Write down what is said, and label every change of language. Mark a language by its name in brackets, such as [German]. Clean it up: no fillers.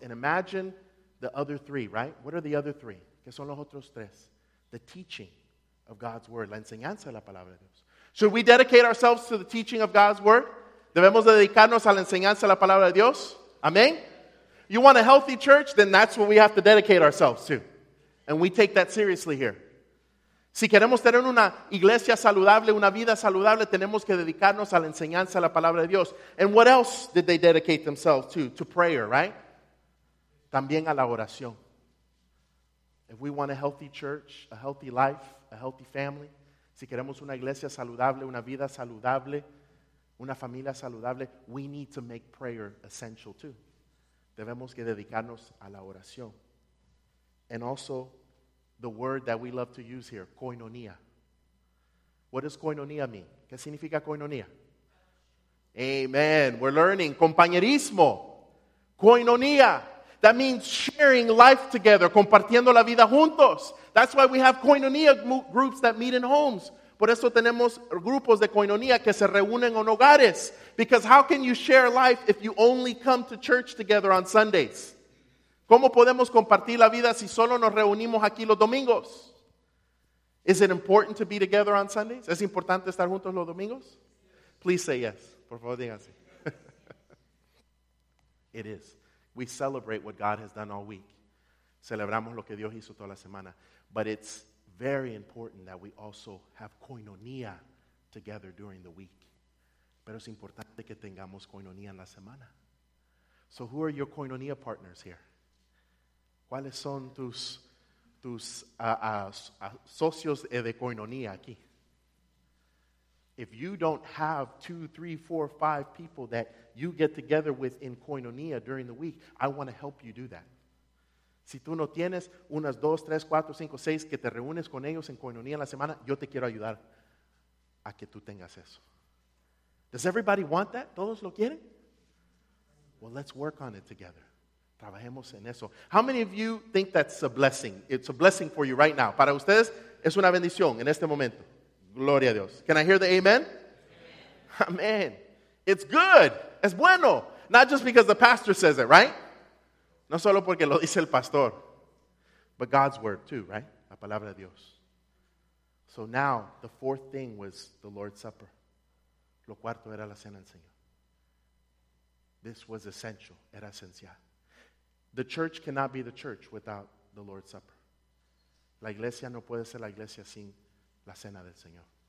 [English] And imagine the other three, right? What are the other three? [Spanish] ¿Qué son los otros tres? [English] The teaching of God's word, [Spanish] la enseñanza de la palabra de Dios. [English] Should we dedicate ourselves to the teaching of God's word? [Spanish] ¿Debemos dedicarnos a la enseñanza de la palabra de Dios? [English] Amén. You want a healthy church? Then that's what we have to dedicate ourselves to. And we take that seriously here. [Spanish] Si queremos tener una iglesia saludable, una vida saludable, tenemos que dedicarnos a la enseñanza de la palabra de Dios. [English] And what else did they dedicate themselves to? To prayer, right? [Spanish] También a la oración. [English] If we want a healthy church, a healthy life, a healthy family, [Spanish] si queremos una iglesia saludable, una vida saludable, una familia saludable, [English] we need to make prayer essential too. [Spanish] Debemos que dedicarnos a la oración. [English] And also, the word that we love to use here, koinonia. What does koinonia mean? [Spanish] ¿Qué significa koinonia? [English] Amen. We're learning. Compañerismo. Koinonia. That means sharing life together, [Spanish] compartiendo la vida juntos. [English] That's why we have koinonia groups that meet in homes. [Spanish] Por eso tenemos grupos de koinonia que se reúnen en hogares. [English] Because how can you share life if you only come to church together on Sundays? [Spanish] ¿Cómo podemos compartir la vida si solo nos reunimos aquí los domingos? [English] Is it important to be together on Sundays? [Spanish] ¿Es importante estar juntos los domingos? [English] Please say yes. [Spanish] Por favor, digan sí. [English] It is. We celebrate what God has done all week. [Spanish] Celebramos lo que Dios hizo toda la semana. [English] But it's very important that we also have koinonia together during the week. [Spanish] Pero es importante que tengamos koinonia en la semana. [English] So who are your koinonia partners here? [Spanish] ¿Cuáles son tus socios de koinonia aquí? [English] If you don't have 2, 3, 4, 5 people that you get together with in koinonia during the week, I want to help you do that. [Spanish] Si tú no tienes unas 2, 3, 4, 5, 6 que te reúnes con ellos en koinonia en la semana, yo te quiero ayudar a que tú tengas eso. [English] Does everybody want that? [Spanish] ¿Todos lo quieren? [English] Well, let's work on it together. [Spanish] Trabajemos en eso. [English] How many of you think that's a blessing? It's a blessing for you right now. [Spanish] Para ustedes es una bendición en este momento. Gloria a Dios. [English] Can I hear the amen? Amen. Amen. It's good. [Spanish] Es bueno. [English] Not just because the pastor says it, right? [Spanish] No solo porque lo dice el pastor. [English] But God's word too, right? [Spanish] La palabra de Dios. [English] So now, the fourth thing was the Lord's Supper. [Spanish] Lo cuarto era la cena del Señor. [English] This was essential. [Spanish] Era esencial. [English] The church cannot be the church without the Lord's Supper. [Spanish] La iglesia no puede ser la iglesia sin la cena del Señor.